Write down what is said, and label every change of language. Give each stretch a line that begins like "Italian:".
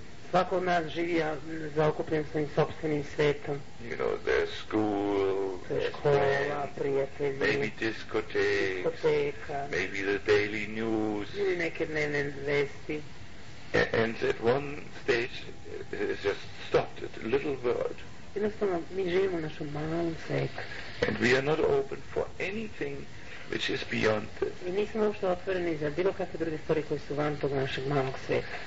Serbian: Svako od nas živi zaokupljen svojim sobstvenim svetom.
English: You know, there's school,
Serbian: škola, prijatelji,
English: maybe diskoteka, maybe the daily news,
Serbian: ili neke dnevne vesti.
English: And at one stage it's just stopped, at a little world.
Serbian: Jednostavno, mi živimo u našom malom svetu.
English: And we are not open for anything which is beyond this.
Serbian: Mi nismo uopšte otvoreni za bilo kakve druge stvari koje su van tog našeg malog sveta.